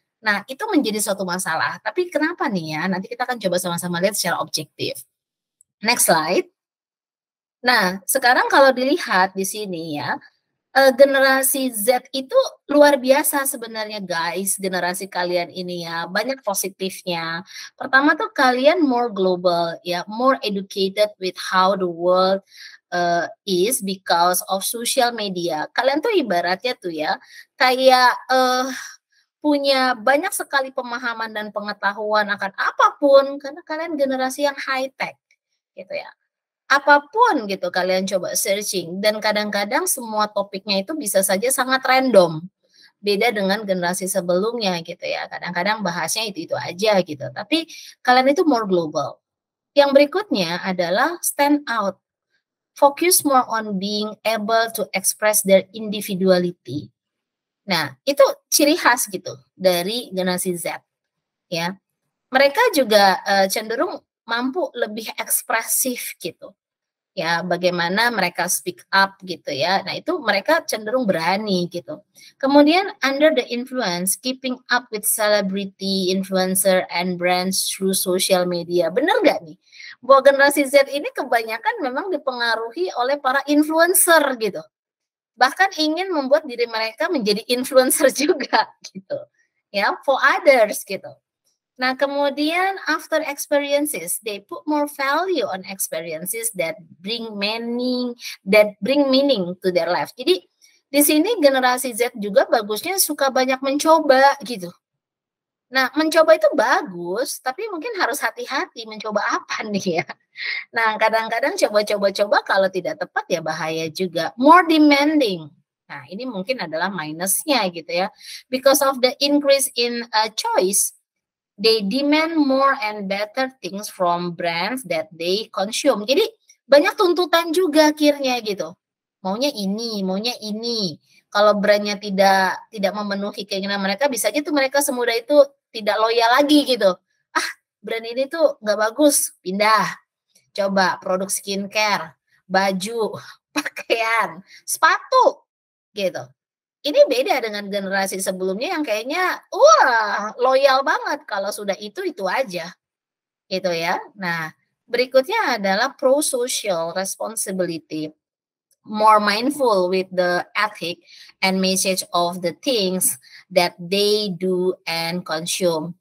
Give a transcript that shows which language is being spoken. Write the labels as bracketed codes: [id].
[id] Nah, itu menjadi suatu masalah. Tapi kenapa nih ya? Nanti kita akan coba sama-sama lihat secara objektif. [en] Next slide. [id] Nah, sekarang kalau dilihat di sini ya, generasi Z itu luar biasa sebenarnya guys, generasi kalian ini ya, banyak positifnya. Pertama tuh kalian [en] more global ya, more educated with how the world is because of social media. [id] Kalian tuh ibaratnya tuh ya, kayak punya banyak sekali pemahaman dan pengetahuan akan apapun karena kalian generasi yang high tech gitu ya. Apapun gitu kalian coba searching, dan kadang-kadang semua topiknya itu bisa saja sangat random. Beda dengan generasi sebelumnya gitu ya. Kadang-kadang bahasnya itu-itu aja gitu. Tapi kalian itu [en] more global. [id] Yang berikutnya adalah stand out. [en] Focus more on being able to express their individuality. [id] Nah, itu ciri khas gitu dari generasi Z. Ya. Mereka juga cenderung mampu lebih ekspresif gitu. Ya, bagaimana mereka speak up gitu ya. Nah, itu mereka cenderung berani gitu. Kemudian [en] under the influence, keeping up with celebrity, influencer and brands through social media. [id] Benar enggak nih? Bahwa generasi Z ini kebanyakan memang dipengaruhi oleh para influencer gitu. Bahkan ingin membuat diri mereka menjadi influencer juga gitu. Ya, [en] for others [id] gitu. Nah, kemudian [en] after experiences, they put more value on experiences that bring meaning to their life. [id] Jadi, di sini generasi Z juga bagusnya suka banyak mencoba gitu. Nah, mencoba itu bagus, tapi mungkin harus hati-hati mencoba apa nih ya. Nah, kadang-kadang coba-coba kalau tidak tepat ya bahaya juga. [en] More demanding. [id] Nah, ini mungkin adalah minusnya gitu ya. [en] Because of the increase in choice, they demand more and better things from brands that they consume. [id] Jadi, banyak tuntutan juga akhirnya gitu. Maunya ini. Kalau brandnya tidak memenuhi keinginan mereka, bisa aja tuh mereka semudah itu tidak loyal lagi gitu. Ah, brand ini tuh nggak bagus, pindah. Coba produk skincare, baju, pakaian, sepatu, gitu. Ini beda dengan generasi sebelumnya yang kayaknya, wah, loyal banget kalau sudah itu aja. Gitu ya. Nah, berikutnya adalah pro-social responsibility. [en] More mindful with the ethic and message of the things that they do and consume.